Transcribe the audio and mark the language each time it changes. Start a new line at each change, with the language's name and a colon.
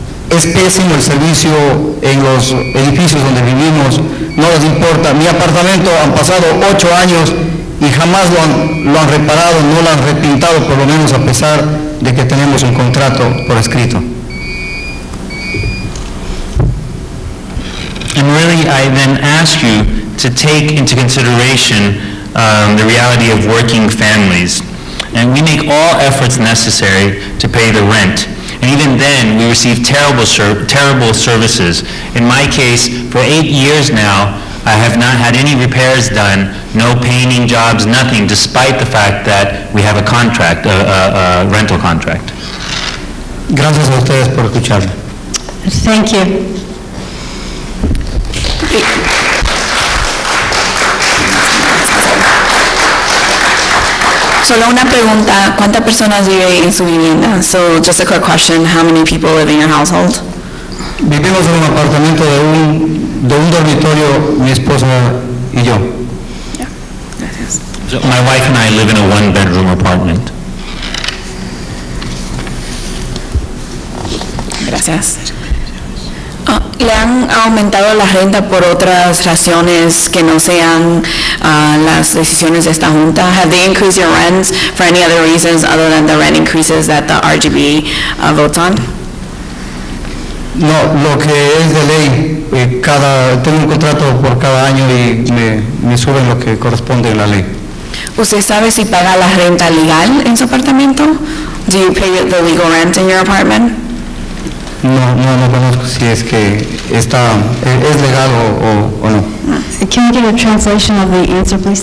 Spanish: Es pésimo el servicio en los edificios donde vivimos. No les importa. Mi apartamento han pasado 8 años y jamás lo han reparado, no lo han repintado, por lo menos a pesar de que tenemos un contrato por escrito.
English: And really, I then ask you to take into consideration the reality of working families. And we make all efforts necessary to pay the rent. And even then, we receive terrible services. In my case, for 8 years now, I have not had any repairs done, no painting jobs, nothing, despite the fact that we have a contract, a rental contract.
Spanish: Gracias a ustedes por escuchar.
English: Thank you.
Spanish: Solo una pregunta, ¿cuántas personas vive en su vivienda?
English: So, just a quick question, how many people live in your household?
Spanish: Vivimos en un apartamento de un dormitorio, mi esposa y yo. Yeah. Gracias.
English: So, my wife and I live in a one-bedroom apartment.
Spanish: Gracias. ¿Le han aumentado la renta por otras razones que no sean las decisiones de esta junta?
English: Have they increased your rents for any other reasons other than the rent increases that the RGB votes on?
Spanish: No, lo que es de ley, tengo un contrato por cada año y me suben lo que corresponde en la ley. ¿Usted sabe si paga la renta legal en su apartamento?
English: Do you pay the legal rent in your apartment?
Spanish: No conozco si es que está, es legal o no.
English: Can we get a translation of the answer, please?